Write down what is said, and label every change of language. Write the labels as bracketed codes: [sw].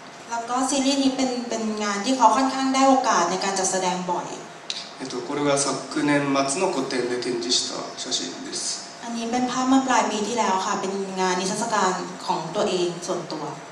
[th] แล้วก็ซีรีส์นี้เป็นงานที่เขาค่อนข้างได้โอกาสในการจัดแสดงบ่อย [ja] これが昨年末の個展で展示した写真です [th] อันนี้เป็นภาพเมื่อปลายปีที่แล้วค่ะเป็นงานนิทรรศการของตัวเองส่วนตัว